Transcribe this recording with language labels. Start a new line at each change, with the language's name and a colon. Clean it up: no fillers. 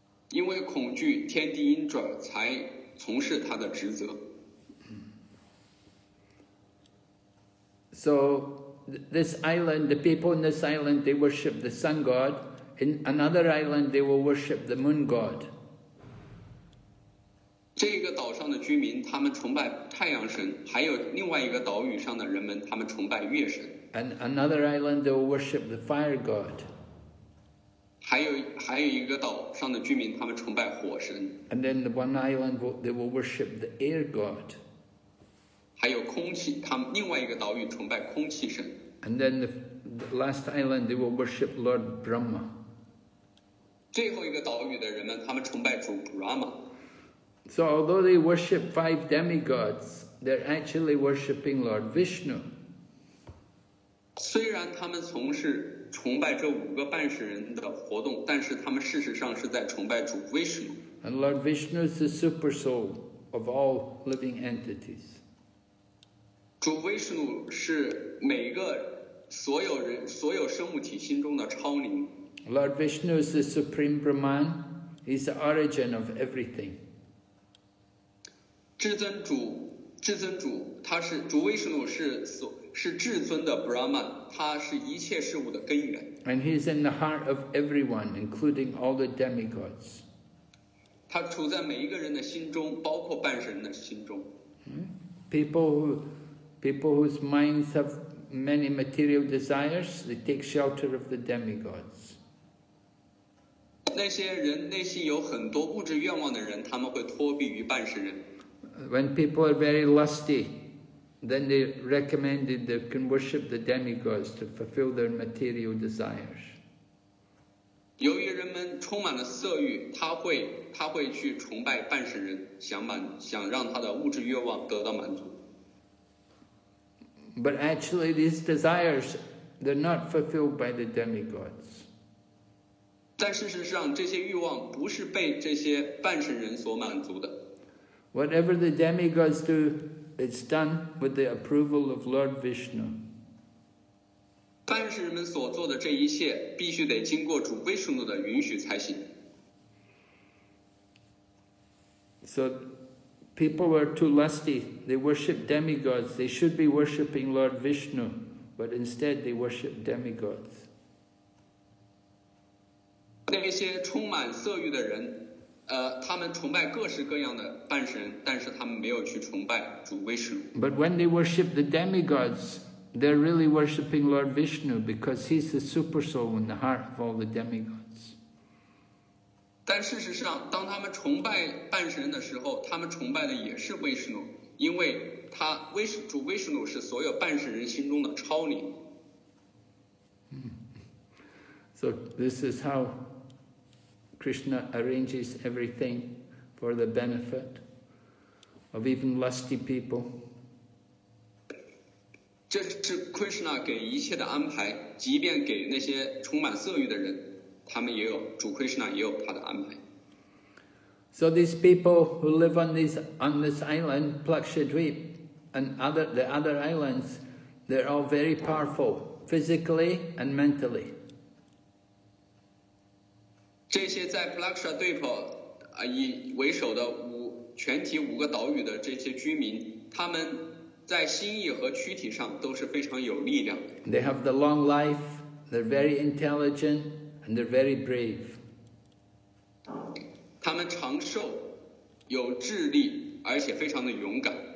Chinese: 因为恐惧，天帝 Indra 才从事他的职责。
English: So, this island, the people in this island, they worship the sun god. In another island, they will worship the moon god.
Chinese: 这个岛上的居民他们崇拜太阳神，还有另外一个岛屿上的人们他们崇拜月神。
English: And another island they worship the fire god.
Chinese: 还有一个岛上的居民他们崇拜火神。
English: And then the one island they will worship the air god.
Chinese: 还有空气，他们另外一个岛屿崇拜空气神。
English: And then the last island they will worship Lord Brahma.
Chinese: 最后一个岛屿的人们他们崇拜主 Brahma。
English: So although they worship five demigods, they're actually worshipping Lord Vishnu.
Chinese: 虽然他们从事崇拜这五个半神人的活动，但是他们事实上是在崇拜主 Vishnu.
English: And Lord Vishnu is the super soul of all living entities.
Chinese: 主 Vishnu 是每个所有人所有生物体心中的超灵。
English: Lord Vishnu is the supreme Brahman. He's the origin of everything.
Chinese: 至尊主他是主威士努是至尊的 Brahman, 他是一切事物的根源。
English: And he is in the heart of everyone, including all the demigods.
Chinese: 他处在每一个人的心中，包括半神的心中。
English: People whose minds have many material desires, they take shelter of the demigods.
Chinese: 那些人内心有很多物质愿望的人，他们会托庇于半神人。
English: When people are very lusty, then they recommended they can worship the demigods to fulfill their material desires.
Chinese: 由于人们充满了色欲，他会去崇拜半神人，想让他的物质欲望得到满足。
English: But actually, these desires, they're not fulfilled by the demigods.
Chinese: 但事实上，这些欲望不是被这些半神人所满足的。
English: Whatever the demigods do, it's done with the approval of Lord Vishnu.
Chinese: 半神人们所做的这一切必须得经过主威士努的允许才行。
English: So people are too lusty. They worship demigods. They should be worshipping Lord Vishnu, but instead they worship demigods.
Chinese: 那些充满色欲的人他们崇拜各式各样的半神，但是他们没有去崇拜主威士努。
English: But when they worship the demigods, they're really worshipping Lord Vishnu because he's the super soul in the heart of all the demigods.
Chinese: 但事实上，当他们崇拜半神的时候，他们崇拜的也是威士努，因为他主威士努是所有半神人心中的超灵。
English: So this is how. Krishna arranges everything for the benefit of even lusty people.
Chinese: 这是 Krishna 给一切的安排，即便给那些充满色欲的人，他们也有主 Krishna 也有他的安排。
English: So these people who live on this island, Plakshadweep, and the other islands, they're all very powerful physically and mentally.
Chinese: 这些在 Plakshadweep 以为首的全体五个岛屿的这些居民，他们在心意和躯体上都是非常有力量的。
English: They have the long life, they're very intelligent, and they're very brave.
Chinese: 他们长寿，有智力，而且非常的勇敢。